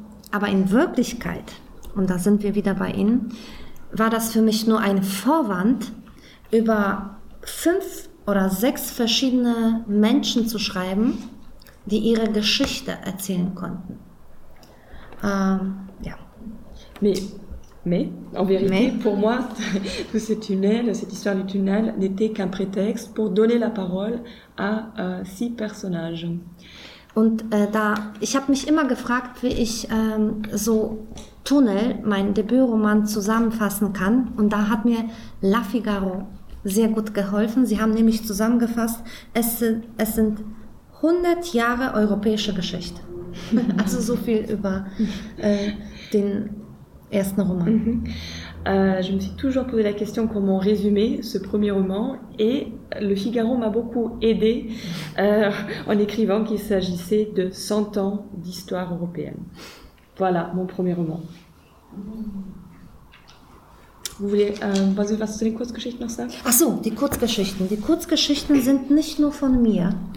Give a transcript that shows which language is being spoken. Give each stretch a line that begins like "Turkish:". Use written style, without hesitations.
German: Aber in Wirklichkeit, und da sind wir wieder bei Ihnen, war das für mich nur ein Vorwand, über 5 oder 6 verschiedene Menschen zu schreiben, die ihre Geschichte erzählen konnten. Ja.
French: Mais, en vérité, mais, pour moi, tout ce tunnel, cette histoire du tunnel, n'était qu'un prétexte pour donner la parole à 6 personnages.
German: Und da, ich habe mich immer gefragt, wie ich so Tunnel, mein Debütroman, zusammenfassen kann. Und da hat mir La Figaro sehr gut geholfen. Sie haben nämlich zusammengefasst, es sind 100 Jahre europäische Geschichte. Also so viel über den ersten Roman. Mm-hmm.
French: Je me suis toujours posé la question comment résumer ce premier roman, et Le Figaro m'a beaucoup aidée en écrivant qu'il s'agissait de 100 ans d'histoire européenne. Voilà mon premier roman. Vous voulez,
German: was ist zu den Kurzgeschichten noch sagen? Ach so, die Kurzgeschichten. Die Kurzgeschichten sind nicht nur von mir.